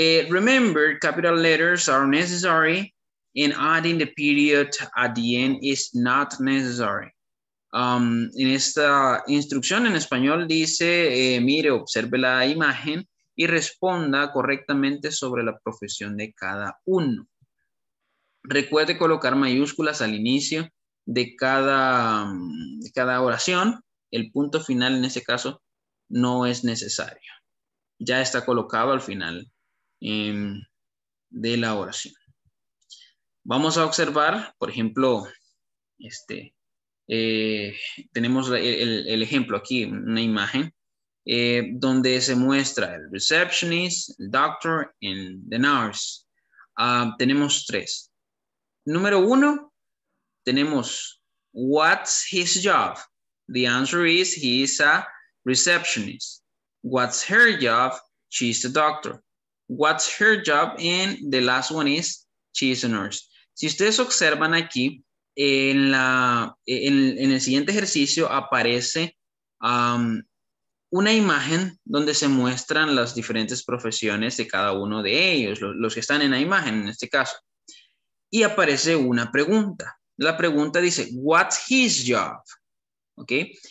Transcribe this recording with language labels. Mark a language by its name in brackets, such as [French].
[English] Remember, capital letters are necessary and adding the period at the end is not necessary. [Spanish] En esta instrucción en español dice, mire, observe la imagen y responda correctamente sobre la profesión de cada uno. Recuerde colocar mayúsculas al inicio de cada oración. El punto final en ese caso no es necesario. Ya está colocado al final de la oración. Vamos a observar, por ejemplo, tenemos el ejemplo aquí, una imagen. Donde se muestra el receptionist, el doctor y [English] the nurse. [Spanish] Tenemos tres. Número uno, tenemos [English] what's his job? The answer is he is a receptionist. What's her job? She's a doctor. What's her job? And the last one is she's a nurse. [Spanish] Si ustedes observan aquí, en el siguiente ejercicio aparece una imagen donde se muestran las diferentes profesiones de cada uno de ellos, los que están en la imagen en este caso. Y aparece una pregunta. La pregunta dice, [English] what's his job? [Spanish] ¿Okay?